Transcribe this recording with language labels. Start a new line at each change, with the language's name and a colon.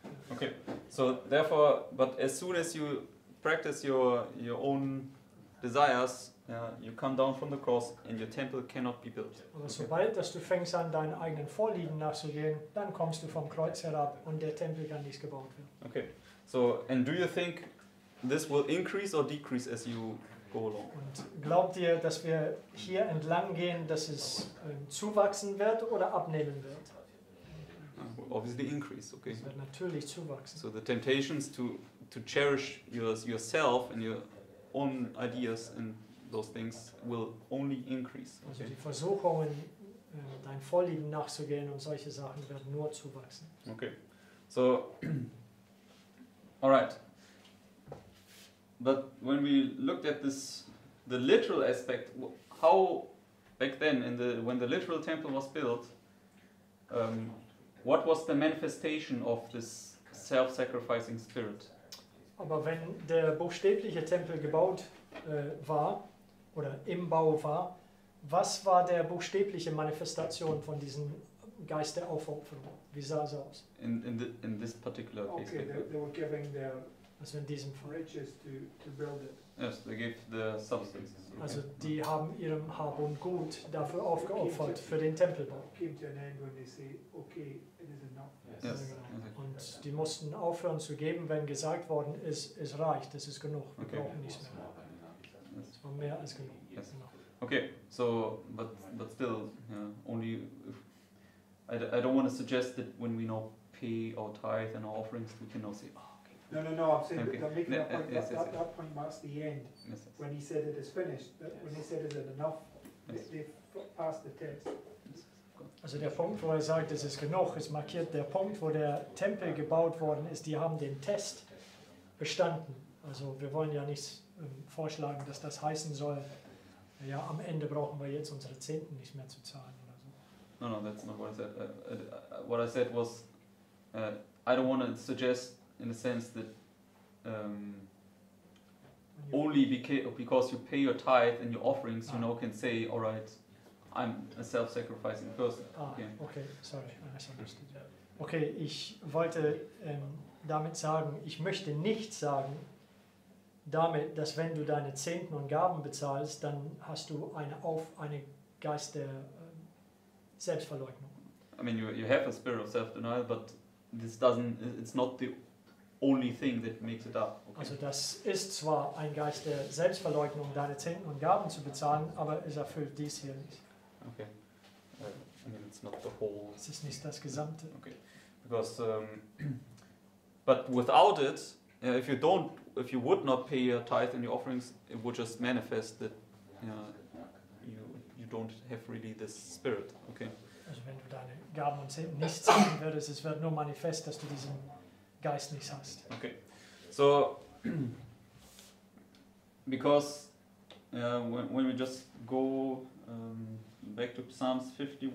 English: Okay, so therefore, but as soon as you practice your own desires, you come down from the cross and your temple cannot be built.
German: Aber sobald, dass du fängst an, deinen eigenen Vorlieben nachzugehen, dann kommst du vom Kreuz herab und der Tempel kann nicht gebaut werden.
English: Okay, so, and do you think this will increase or decrease as you go along?
German: Und glaubt ihr, dass wir hier entlang gehen, dass es zuwachsen wird oder abnehmen wird?
English: Obviously increase, okay.
German: Es wird natürlich zuwachsen.
English: So the temptations to cherish yourself and your own ideas and those things will only increase. Okay?
German: Also die Versuchungen, dein Vorlieben nachzugehen und solche Sachen werden nur zuwachsen.
English: Okay, so, all right. But when we looked at this, the literal aspect, how back then, when the literal temple was built, what was the manifestation of this self-sacrificing spirit?
German: Aber wenn der buchstäbliche Tempel gebaut war oder im Bau war, was war der buchstäbliche Manifestation von diesem Geist der Aufopferung? Wie sah es aus?
English: In this particular case. Okay, they were giving their
German: also in diesem Fall.
English: Riches to build it. Yes, they gave the substance. Okay.
German: Also die haben ihrem Hab und Gut dafür aufgeopfert, für den Tempelbau.
English: Came to an end when they say, okay, it is enough. Yes.
German: Und die mussten aufhören zu geben, wenn gesagt worden ist, es reicht, es ist genug, wir brauchen nichts mehr. Es war mehr als genug.
English: Yes. Okay, so, but still, yeah, only, if, I don't want to suggest that when we now pay our tithe and our offerings, we can now say, No, I'm saying they're making that point. That point marks the end. Yes. When he said it is finished, when he said it is enough, yes. They passed the test.
German: Also der Punkt, wo er sagt, es ist genug, es markiert der Punkt, wo der Tempel gebaut worden ist, die haben den Test bestanden. Also wir wollen ja nichts vorschlagen, dass das heißen soll, ja, am Ende brauchen wir jetzt unsere Zehnten nicht mehr zu zahlen oder so.
English: No, that's not what I said. What I said was, I don't want to suggest in the sense that only because you pay your tithe and your offerings, you now can say, all right, I'm a self-sacrificing person. Okay, sorry, I misunderstood.
German: Okay, ich wollte damit sagen, ich möchte nicht sagen, damit, dass wenn du deine Zehnten und Gaben bezahlst, dann hast du eine Geist der Selbstverleugnung.
English: I mean, you have a spirit of self-denial, but this doesn't, it's not the only thing that makes it up. Okay.
German: Also das ist zwar ein Geist der Selbstverleugnung, deine Zehnten und Gaben zu bezahlen, aber es erfüllt dies hier nicht.
English: Okay. I mean, it's not the whole.
German: Es ist nicht das Gesamte.
English: Okay. Because, but without it, if you don't, if you would not pay your tithe and your offerings, it would just manifest that, you don't have really this spirit. Okay.
German: Also wenn du deine Gaben und Zehnten nicht zahlen würdest, es wird nur manifest, dass du diesen Geist nicht hast.
English: Okay. So, because when we just go back to Psalms 51.